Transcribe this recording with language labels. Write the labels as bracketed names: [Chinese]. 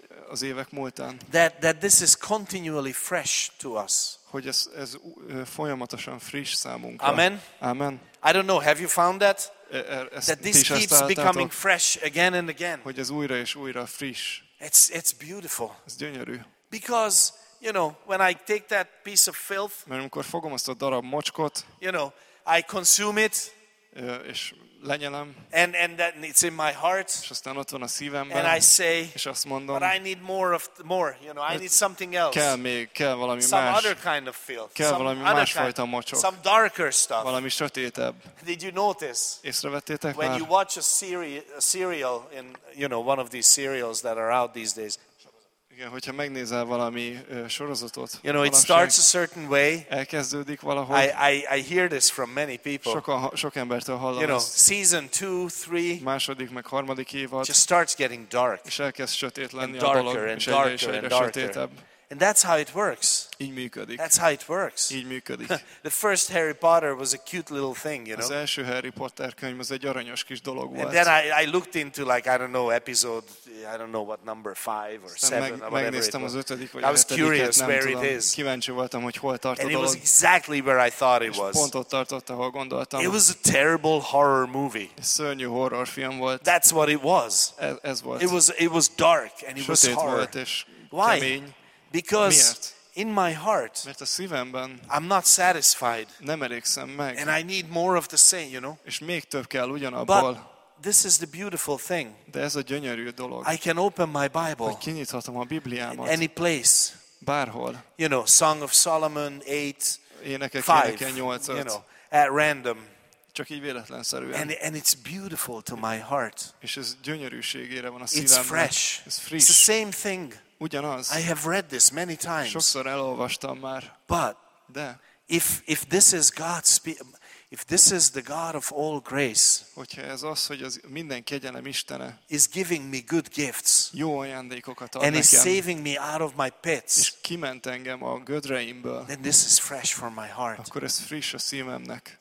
[Hungarian] az évek múltán, [English] that this is continually fresh to us. [Hungarian] Hogy ez folyamatosan friss számunkra. [English] Amen. [Hungarian] Amen. [English] I don't know. Have you found that? That this keeps becoming fresh again and again. [Hungarian] Hogy ez újra és újra friss. [English] It's beautiful. [Hungarian] Ez gyönyörű. [English] Because you know, when I take that piece of filth, [Hungarian] mert amikor fogom azt a darab mocskot, [English] you know, I consume it. [Hungarian] És lenyelem, [English] and that it's in my heart. [Hungarian] És aztán ott van a szívemben. [English] And I say, [Hungarian] és azt mondom, [English] but I need more. You know, I need something else. [Hungarian] Kell még, kell valami [English] some [Hungarian] más. [English] Some other kind of filth. [Hungarian] Kell valami [English] some [Hungarian] más fajta mocsok. [English] Some darker stuff. [Hungarian] Valami sötétebb. [English] Did you notice? [Hungarian] Észrevettétek már? [English] When you watch a cereal in, you know, one of these cereals that are out these days. [Hungarian] Igen, hogyha megnézel valami sorozatot, [English] you know, it starts a certain way. [Hungarian] Elkezdődik valahol. [English] I hear this from many people. [Hungarian] Sok embertől hallom. [English] You know, season 2, 3. [Hungarian] Második meg harmadik évad. [English] Just starts getting dark. [Hungarian] És elkezd sötét lenni a dolog, és egyre sötétebb. [English] And that's how it works. [Hungarian] Így működik. [English] That's how it works. [Hungarian] Így működik. [English] The first Harry Potter was a cute little thing, you know. [Hungarian] Az első Harry Potter könyv az egy aranyos kis dolog volt. [English] And then I looked into like I don't know episode I don't know what number 5 or 7 or whatever. [Hungarian] Megnéztem az ötödik vagy [English] I was curious where it is. [Hungarian] Kíváncsi voltam, hogy hol tart a dolog. [English] It was exactly where I thought it was. [Hungarian] Pont ott tartott, ahol gondoltam. [English] It was a terrible horror movie. [Hungarian] Szörnyű horror film volt. [English] That's what it was. [Hungarian] Ez volt. [English] It was dark and it [Hungarian] sötét [English] was horror. [Hungarian] Volt, és kemény. [English] Why? Because in my heart, [Hungarian] mert a szívemben, [English] I'm not satisfied. [Hungarian] Nem elégszem meg. [English] And I need more of the same, you know. [Hungarian] És még több kell ugyanabból. [English] But this is the beautiful thing. [Hungarian] De ez a gyönyörű dolog. [English] I can open my Bible. [Hungarian] Hogy kinyithatom a Bibliámat. [English] Any place. [Hungarian] Bárhol. [English] You know, Song of Solomon 8. [Hungarian] Énekek 5, 8. [English] You know, at random. [Hungarian] Csak így véletlenszerűen. [English] And it's beautiful to my heart. [Hungarian] És ez gyönyörűségére van a szívemben. [English] It's fresh. [Hungarian] Ez friss. [English] It's the same thing. [Hungarian] Ugyanaz. [English] I have read this many times. [Hungarian] Sokszor elolvastam már. [English] But [Hungarian] de [English] if this is God's, if this is the God of all grace, [Hungarian] hogyha ez az, hogy az minden kegyelem Istene, [English] is giving me good gifts, [Hungarian] jó ajándékokat ad [English] and [Hungarian] nekem, [English] is saving me out of my pits, [Hungarian] és kiment engem a gödreimből, [English] then this is fresh for my heart. [Hungarian] Akkor ez friss a szívemnek.